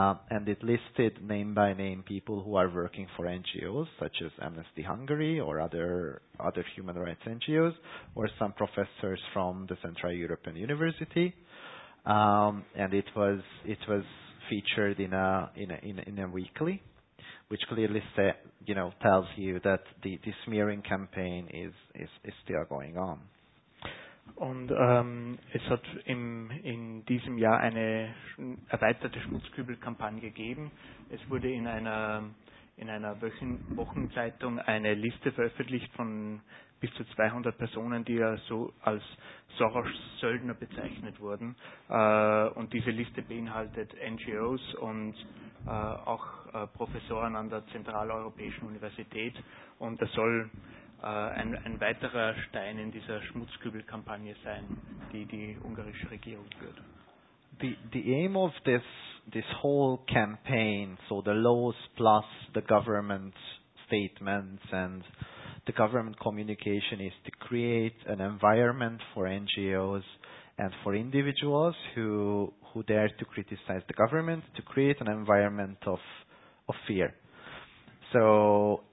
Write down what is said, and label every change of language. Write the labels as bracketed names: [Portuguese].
[English] and it listed name by name people who are working for NGOs such as Amnesty Hungary or other human rights NGOs, or some professors from the Central European University, and it was featured in a weekly, which clearly tells you that the smearing campaign is still going on. [German] Und es hat in diesem Jahr eine erweiterte Schmutzkübelkampagne gegeben. Es wurde in einer Wochenzeitung eine Liste veröffentlicht von bis zu 200 Personen, die ja so als Soros-Söldner bezeichnet wurden. Und diese Liste beinhaltet NGOs und auch Professoren an der Zentraleuropäischen Universität. Und das soll ein weiterer Stein in dieser Schmutzkübelkampagne sein, die ungarische Regierung führt. [English] The aim of this whole campaign, so the laws plus the government statements and the government communication, is to create an environment for NGOs and for individuals who dare to criticize the government, to create an environment of fear. So